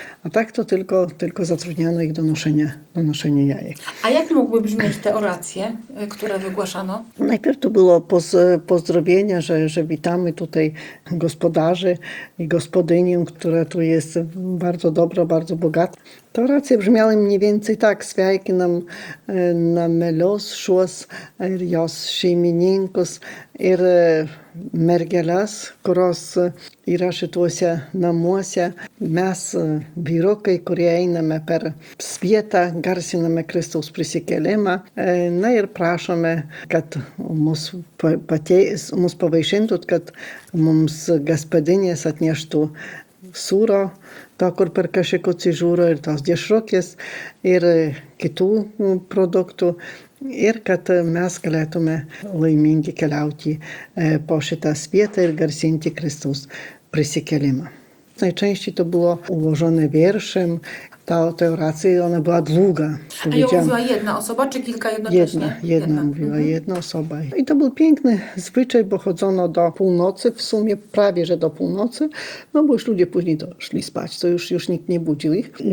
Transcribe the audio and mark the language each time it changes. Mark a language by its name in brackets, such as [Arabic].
[Polish] A tak to tylko zatrudniano ich donoszenie jajek. A jak mogły brzmieć te oracje, które wygłaszano? Najpierw to było pozdrowienia, że witamy tutaj gospodarzy i gospodynię, która tu jest bardzo dobra, bardzo bogata. Te oracje brzmiały mniej więcej tak. [Lithuanian] Sveiki nam na melos, szuos, ir jos šeimininkus, ir mergeles, kurios yra šituose namuose. Mes vyrukai, kurie einame per svietą, garsiname Kristaus prisikėlimą. Na ir prašome, kad mus pavaišintų, kad mums gaspadinės atneštų sūro, to kur per kažkokį cižūrą ir tos dėšrukės ir kitų produktų ir kad mes galėtume laimingi keliauti po šitą svietą ir garsinti Kristaus prisikėlimą. [Polish] Najczęściej to było ułożone wierszem. Ta oracja, ona była długa. A ją mówiła jedna osoba, czy kilka jednocześnie? Jedna osoba. I to był piękny zwyczaj, bo chodzono do północy, w sumie prawie, że do północy, no bo już ludzie później szli spać, to już nikt nie budził ich.